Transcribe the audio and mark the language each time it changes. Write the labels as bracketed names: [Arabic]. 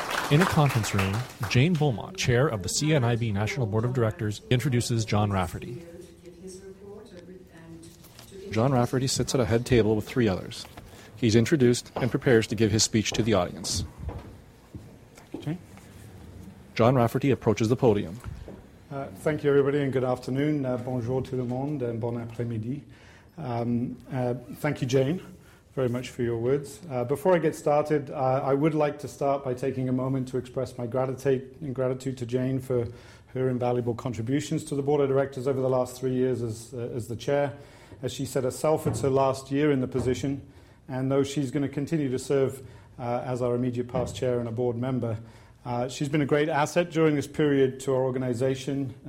[English] In a conference room, Jane Beaumont, chair of the CNIB National Board of Directors, introduces John Rafferty. John Rafferty sits at a head table with three others. He's introduced and prepares to give his speech to the audience. John Rafferty approaches the podium. Thank you, everybody, and good afternoon. [French] Bonjour tout le monde, and bon après-midi. [English] Thank you, Jane, very much for your words. Before I get started, I would like to start by taking a moment to express my gratitude to Jane for her invaluable contributions to the Board of Directors over the last 3 years as the chair. As she said herself, it's her last year in the position, and though she's going to continue to serve as our immediate past chair and a board member, she's been a great asset during this period to our organization.